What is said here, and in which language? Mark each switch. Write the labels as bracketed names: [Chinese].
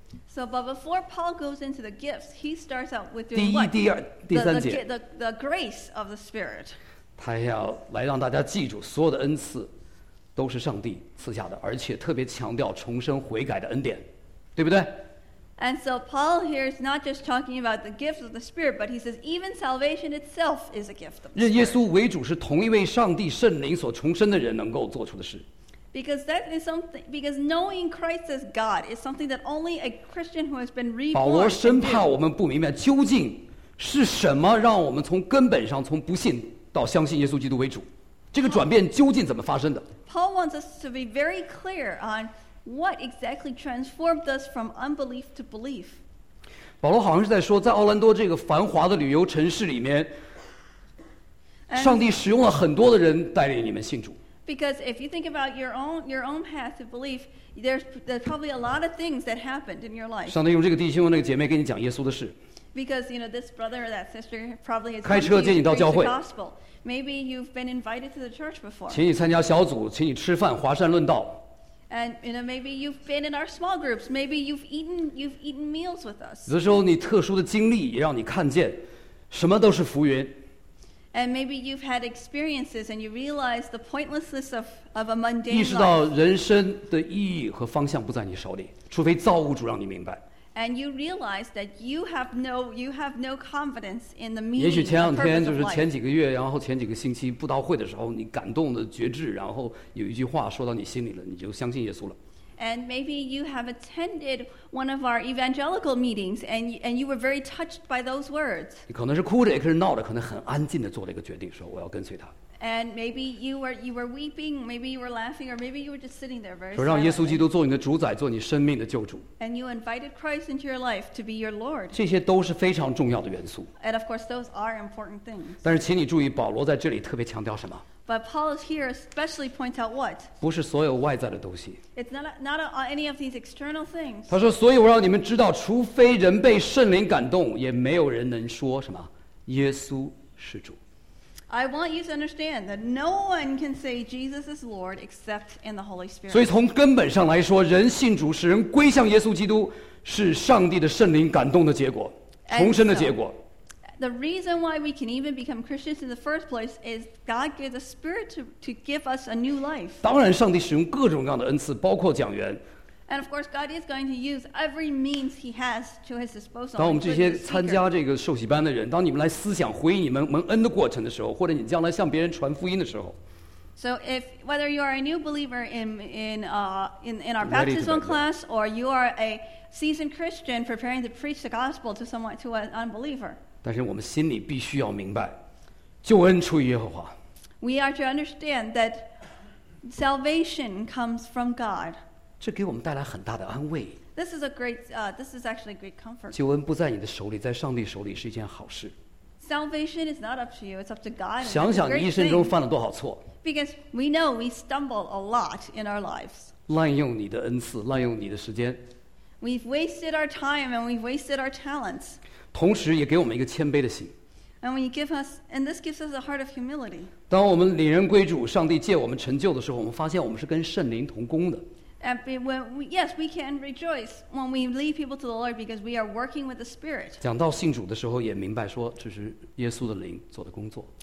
[English] So but before Paul goes into the gifts, he starts out with doing [Chinese] 第一、第二、第三节 [English] the grace of the Spirit. [Chinese] 他要来让大家记住，所有的恩赐都是上帝赐下的，而且特别强调重生悔改的恩典，对不对 [English] ？And so Paul here is not just talking about the gift of the Spirit, but he says even salvation itself is a gift of the Spirit. [Chinese] 认耶稣为主是同一位上帝圣灵所重生的人能够做出的事。 [English] Because that is something. Because knowing Christ as God is something that only a Christian who has been reborn can do. [Chinese] 保罗生怕我们不明白究竟是什么让我们从根本上从不信。到相信耶稣基督为主，这个转变究竟怎么发生的 [English] ？Paul wants us to be very clear on what exactly transformed us from unbelief to belief. [Chinese] 保罗好像是在说，在奥兰多这个繁华的旅游城市里面，上帝使用了很多的人带领你们信主。 [English] Because if you think about your own path to belief, there's probably a lot of things that happened in your life. [Chinese] 上帝用这个弟兄那个姐妹跟你讲耶稣的事。 [English] Because you know this brother or that sister probably has come to preach the gospel. Maybe you've been invited to the church before. [Chinese] 请你参加小组，请你吃饭，华山论道。 [English] And you know maybe you've been in our small groups. Maybe you've eaten meals with us. [Chinese] 有的时候你特殊的经历也让你看见，什么都是浮云。 [English] And maybe you've had experiences and you realize the pointlessness of a mundane life. [Chinese] 意识到人生的意义和方向不在你手里，除非造物主让你明白。 [English] And you realize that you have no confidence in the meaning. [Chinese] 也许前两天就是前几个月，然后前几个星期布道会的时候，你感动的觉知，然后有一句话说到你心里了，你就相信耶稣了。 [English] And maybe you have attended one of our evangelical meetings, and you were very touched by those words. [Chinese] 你可能是哭着，也可能闹着，可能很安静的做了一个决定，说我要跟随他。 [English] And maybe you were weeping, maybe you were laughing, or maybe you were just sitting there very silent. [Chinese] 说让耶稣基督做你的主宰，做你生命的救主。 [English] And you invited Christ into your life to be your Lord. [Chinese] 这些都是非常重要的元素。 [English] And of course, those are important things. [Chinese] 但是，请你注意，保罗在这里特别强调什么 [English] ？But Paul is here especially points out what? [Chinese] 不是所有外在的东西。 [English] It's not any of these external things. [Chinese] 他说，所以我让你们知道，除非人被圣灵感动，也没有人能说什么，耶稣是主。 [English] I want you to understand that no one can say Jesus is Lord except in the Holy Spirit. [Chinese] 所以从根本上来说，人信主使人归向耶稣基督，是上帝的圣灵感动的结果，重生的结果。 [English] The reason why we can even become Christians in the first place is God gave the Spirit to give us a new life. [Chinese] 当然，上帝使用各种各样的恩赐，包括讲员。 [English] And of course, God is going to use every means He has to His disposal. [Chinese] 当我们这些参加这个受洗班的人，当你们来思想回忆你们蒙恩的过程的时候，或者你将来向别人传福音的时候 [English] ，So if whether you are a new believer in our baptism class, or you are a seasoned Christian preparing to preach the gospel to someone to an unbeliever, [Chinese] 但是我们心里必须要明白，救恩出于耶和华。 [English] We are to understand that salvation comes from God. [Chinese] 这给我们带来很大的安慰。 [English] This is a great, this is actually a great comfort. [Chinese] 救恩不在你的手里，在上帝手里是一件好事。 [English] Salvation is not up to you; it's up to God. [Chinese] 想想你一生中犯了多少错。 [English] Because we know we stumble a lot in our lives. [Chinese] 滥用你的恩赐，滥用你的时间。 [English] We've wasted our time and we've wasted our talents. [Chinese] 同时，也给我们一个谦卑的心。 [English] And when you give us, and this gives us a heart of humility. [Chinese] 当我们领人归主，上帝借我们成就的时候，我们发现我们是跟圣灵同工的。 [English] And when we, yes, we can rejoice when we lead people to the Lord because we are working with the Spirit. [Chinese] 讲到信主的时候，也明白说这是耶稣的灵做的工作。